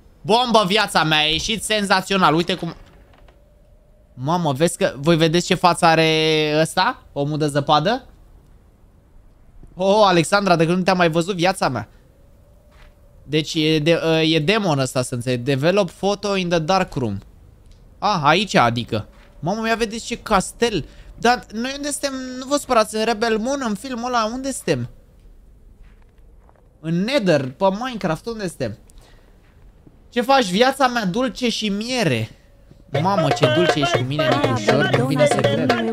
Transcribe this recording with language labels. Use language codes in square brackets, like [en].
[ro] Bombă, viața mea, a ieșit senzațional. Uite cum... Mamă, vezi că... Voi vedeți ce față are ăsta? Omul de zăpadă? Oh, Alexandra, de când nu te-am mai văzut, viața mea. Deci e, de, e demon ăsta, să înțeleg. [en] Develop photo in the dark room. [ro] Ah, aici adică. Mamă, ia vedeți ce castel. Dar noi unde suntem? Nu vă supărați, în Rebel Moon, în filmul ăla, unde suntem? În Nether, pe Minecraft, unde suntem? Ce faci, viața mea, dulce și miere? Mamă, ce dulce ești cu mine, Nicușor, când vine să cred.